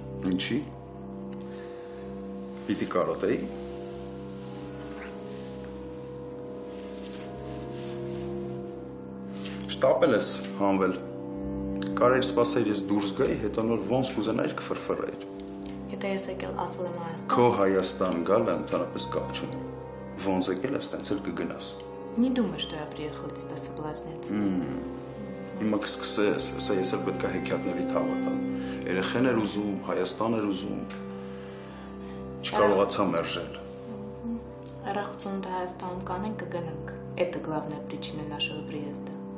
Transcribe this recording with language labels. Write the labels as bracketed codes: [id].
[hy] Ինչի։ Պիտի կարոտեի։ Շտապել ես հանվել։ Կարեր սպասեր ես դուրս գայի, հետո նոր ոնց կուզենայիր կֆրֆրայիր։ Եթե ես եկել ասել եմ Հայաստան։ Քո Հայաստան գալը ընդհանրապես կապ չունի։ Ոնց եկել ես, տենց էլ կգնաս։ [ru] Не думаю, что я приехал тебя соблазнять. [hy] Հիմա կսկսես, ասա ես էլ պետք է հեքիաթների թաղատան։ Երեխեն էր ուզում, Հայաստան էր ուզում, չկարողացա մերժել։ Հեռախոսում դա Հայաստանում կանենք, կգնանք։ [ru] Это главная причина нашего приезда.